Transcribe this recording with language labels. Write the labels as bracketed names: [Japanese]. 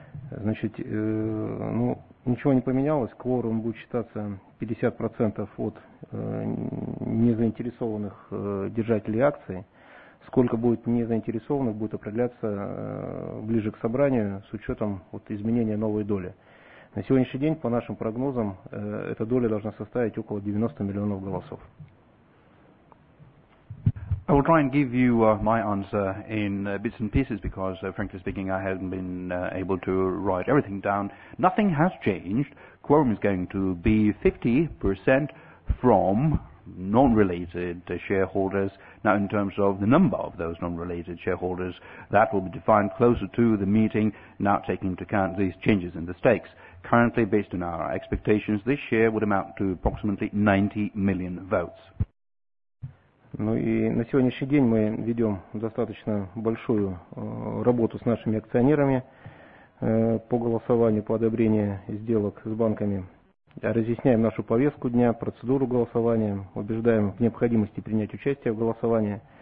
[Russian] Значит, ну, ничего не поменялось. Кворум будет считаться 50% от незаинтересованных держателей акций. Сколько будет незаинтересованных, будет определяться ближе к собранию с учетом вот, изменения новой доли. На сегодняшний день, по нашим прогнозам, эта доля должна составить около 90 миллионов голосов. [English] I will try and give you my answer in bits and pieces because, frankly speaking, I haven't been able to write everything down. Nothing has changed. Quorum is going to be 50% from non-related shareholders. Now, in terms of the number of those non-related shareholders, that will be defined closer to the meeting, now taking into account these changes in the stakes. Currently, based on our expectations, this share would amount to approximately 90 million votes. [Russian] Ну и на сегодняшний день мы ведем достаточно большую работу с нашими акционерами по голосованию, по одобрению сделок с банками. разъясняем нашу повестку дня, процедуру голосования, убеждаем в необходимости принять участие в голосовании.